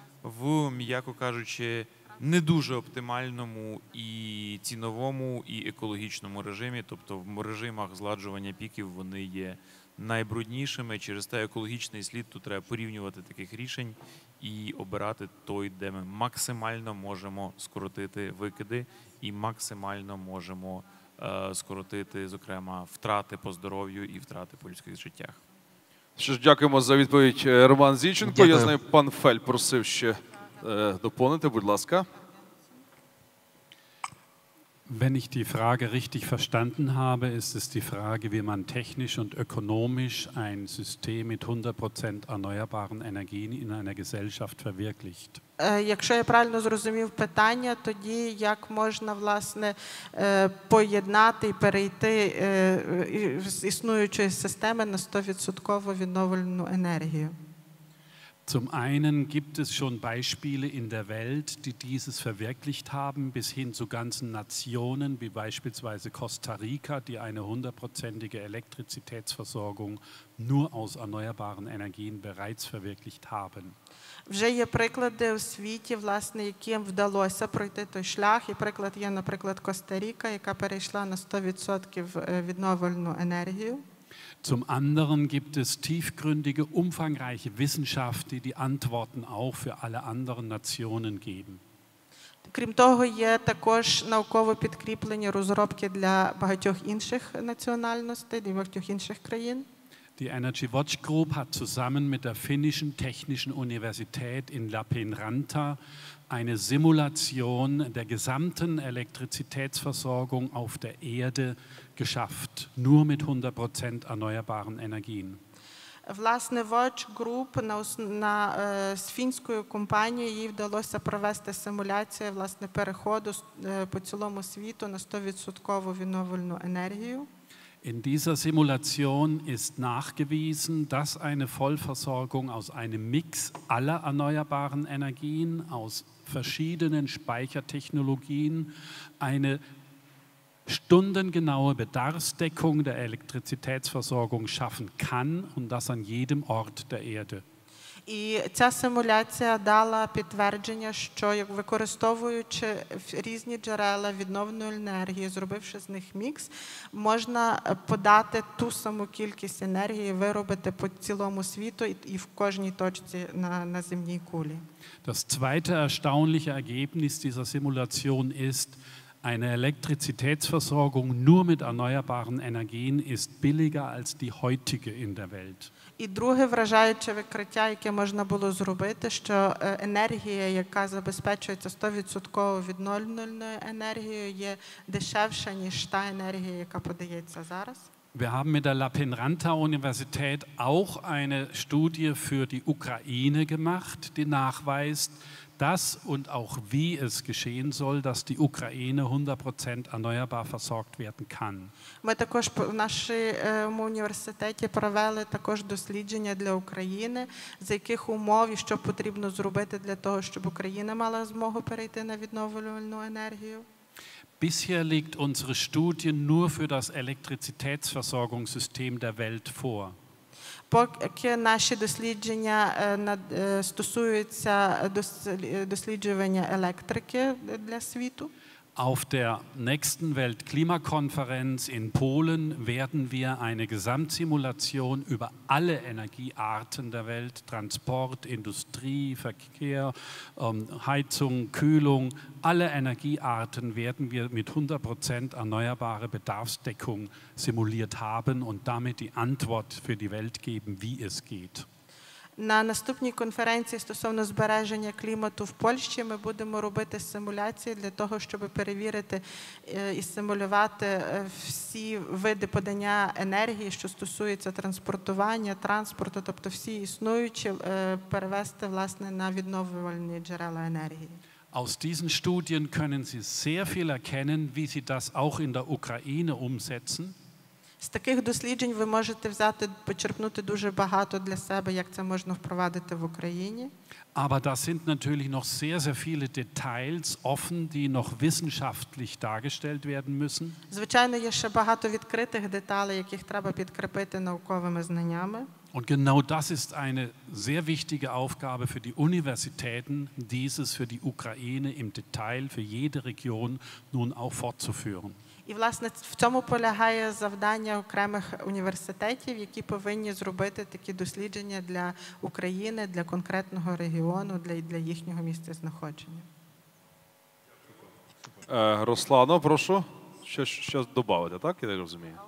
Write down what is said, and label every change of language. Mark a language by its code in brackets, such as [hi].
[uk] в, м'яко кажучи, не дуже оптимальному і ціновому, і екологічному режимі, тобто в режимах зладжування піків вони є найбруднішими, через те екологічний слід тут треба порівнювати таких рішень і обирати той, де ми максимально можемо скоротити викиди і максимально можемо скоротити, зокрема, втрати по здоров'ю і втрати по людських життях. Ще ж дякуємо за відповідь, Роман Зінченко. Дякую. Я знаю, пан Фель просив ще доповнити, будь ласка. [de] Wenn ich die Frage richtig verstanden habe, ist es die Frage, wie man technisch und ökonomisch ein System mit 100% erneuerbaren Energien in einer Gesellschaft verwirklicht. [uk] Якщо я правильно зрозумів питання, тоді як можна, власне, поєднати і перейти з існуючої системи на 100% відновлену енергію? [de] Zum einen gibt es schon Beispiele in der Welt, die dieses verwirklicht haben, bis hin zu ganzen Nationen, wie beispielsweise Costa Rica, die eine 100%ige Elektrizitätsversorgung nur aus erneuerbaren Energien bereits verwirklicht haben. [uk] Вже є приклади у світі, власне, яким вдалося пройти той шлях. І приклад є, наприклад, Коста-Ріка, яка перейшла на 100% відновлену енергію. [de] Zum anderen gibt es tiefgründige, umfangreiche Wissenschaft, die die Antworten auch für alle anderen Nationen geben. [uk] Крім того, є також науково підкріплені розробки для багатьох інших національностей, для багатьох інших країн. [de] Die Energy Watch Group hat zusammen mit der finnischen Technischen Universität in Lappeenranta eine Simulation der gesamten Elektrizitätsversorgung auf der Erde geschafft, nur mit 100% erneuerbaren Energien. [uk] Власне, Watch Group на з фінською компанією їй вдалося провести симуляцію власне переходу по цілому світу на 100% відновлювальну енергію. [de] In dieser Simulation ist nachgewiesen, dass eine Vollversorgung aus einem Mix aller erneuerbaren Energien, aus verschiedenen Speichertechnologien, eine stundengenaue Bedarfsdeckung der Elektrizitätsversorgung schaffen kann und das an jedem Ort der Erde. [uk] І ця симуляція дала підтвердження, що використовуючи різні джерела відновлювальної енергії, зробивши з них мікс, можна подати ту саму кількість енергії, виробити по цілому світу і в кожній точці на земній кулі. [de] Das zweite erstaunliche Ergebnis dieser Simulation ist, eine Elektrizitätsversorgung nur mit erneuerbaren Energien ist billiger als die heutige in der Welt. [uk] І друге вражаюче відкриття, яке можна було зробити, що енергія, яка забезпечується 100% відновлювальною енергією, є дешевша, ніж та енергія, яка подається зараз. [de] Wir haben mit der Lappeenranta Universität auch eine Studie für die Ukraine gemacht, die nachweist, dass und auch wie es geschehen soll, dass die Ukraine 100% erneuerbar versorgt werden kann. [uk] Ми також в нашому університеті провели також дослідження для України, за яких умов і що потрібно зробити для того, щоб Україна мала змогу перейти на відновлювальну енергію. [de] Bisher liegt unsere Studie nur für das Elektrizitätsversorgungssystem der Welt vor. [uk] Поки наші дослідження стосуються досліджування електрики для світу. [de] Auf der nächsten Weltklimakonferenz in Polen werden wir eine Gesamtsimulation über alle Energiearten der Welt, Transport, Industrie, Verkehr, Heizung, Kühlung, alle Energiearten werden wir mit 100% erneuerbare Bedarfsdeckung simuliert haben und damit die Antwort für die Welt geben, wie es geht. [uk] На наступній конференції стосовно збереження клімату в Польщі ми будемо робити симуляції для того, щоб перевірити і симулювати всі види подання енергії, що стосується транспортування, транспорту, тобто всі існуючі, перевести власне на відновлювальні джерела енергії. [de] Aus diesen Studien können Sie sehr viel erkennen, wie Sie das auch in der Ukraine umsetzen. [uk] З таких досліджень ви можете взяти, почерпнути дуже багато для себе, як це можна впровадити в Україні. [de] Aber das sind natürlich noch sehr, sehr viele Details offen, die noch wissenschaftlich dargestellt werden müssen. [uk] Звичайно, є ще багато відкритих деталей, яких треба підкріпити науковими знаннями. [de] Und genau das ist eine sehr wichtige Aufgabe für die Universitäten, dieses für die Ukraine im Detail für jede Region nun auch fortzuführen. [uk] І, власне, в цьому полягає завдання окремих університетів, які повинні зробити такі дослідження для України, для конкретного регіону, для їхнього місця знаходження. Руслано, прошу, що додати, так, я так розумію?